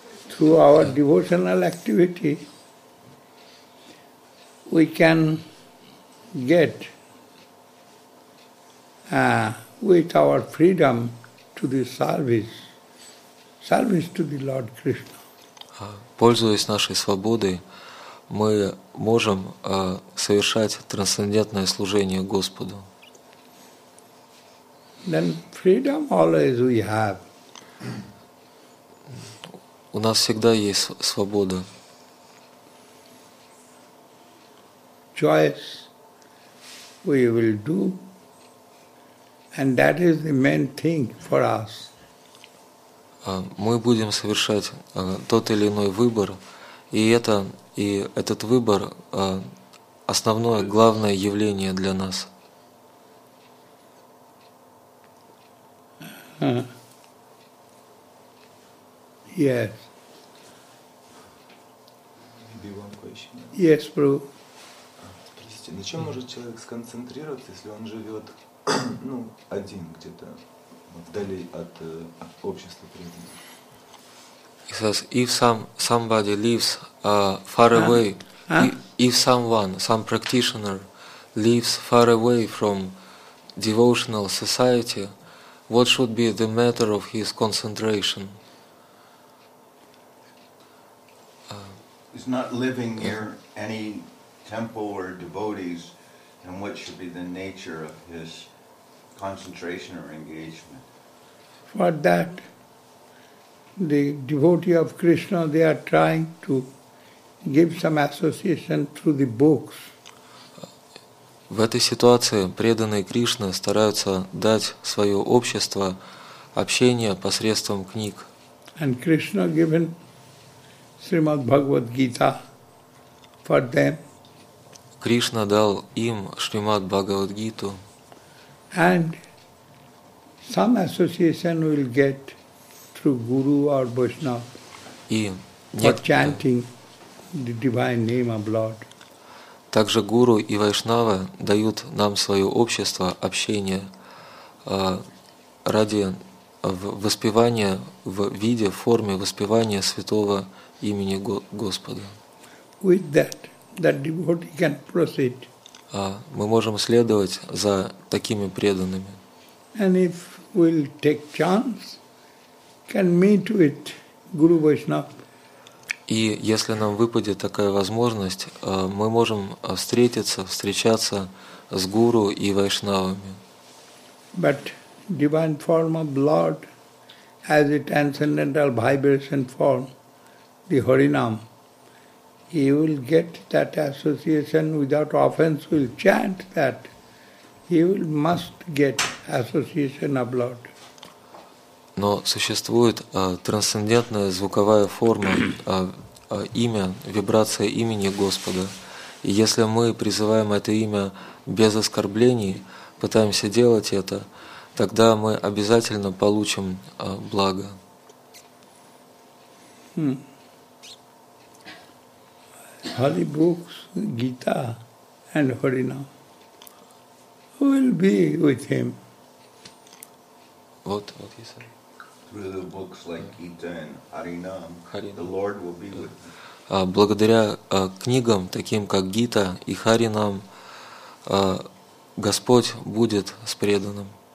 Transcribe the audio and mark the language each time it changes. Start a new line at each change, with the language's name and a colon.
English: Through our devotional activity, we can get with our freedom to the service to the Lord Krishna.
Russian: Пользуясь нашей свободой, мы можем совершать трансцендентное служение Господу.
English: Then freedom always we have.
Russian: У нас всегда есть свобода.
English: Choice we will do, and that is the main thing for us.
Russian: Мы будем совершать тот или иной выбор, и этот выбор основное, главное явление для нас.
English: Yes. Maybe one question. Yes, Prabhu.
Russian: Простите, на чем может человек сконцентрироваться, если он живет, ну, один где-то вдали от общества преданных?
English: He says, if somebody lives far away, if some practitioner lives far away from devotional society, what should be the matter of his concentration? He's not living near any temple or devotees, and what should be the nature of his concentration or engagement? For that, the devotee of Krishna, they are trying to give some association through the books.
Russian: В этой ситуации преданные Кришны стараются дать свое общество общение посредством книг.
English: And Krishna given Srimad Bhagavad Gita for them.
Russian: Кришна дал им Шримад Бхагавад Гиту.
English: And some association will get through Guru or Vaishnava for chanting the divine name of Lord.
Russian: Также гуру и вайшнавы дают нам свое общество, общение ради воспевания в виде, в форме воспевания святого имени Господа.
English: With that, that devotee can proceed.
Russian: Мы можем следовать за такими преданными.
English: And if we'll take chance, can meet with Guru Vaishnava.
Russian: И если нам выпадет такая возможность, мы можем встречаться с гуру и вайшнавами.
English: But divine form of Lord as a transcendental vibration form, the Harinam, he will get that association without offense, will chant that, he will must get association of Lord.
Russian: Но существует трансцендентная звуковая форма имя, вибрация имени Господа. И если мы призываем это имя без оскорблений, пытаемся делать это, тогда мы обязательно получим благо.
English: Holy books, Gita and Harinam will be with him.
Russian: Вот,
English: yes, sir. Through the books like Gita and Harinam, Harinam, the Lord will be with him.
Russian: Благодаря книгам, таким как Гита и Харинам, Господь будет с преданным.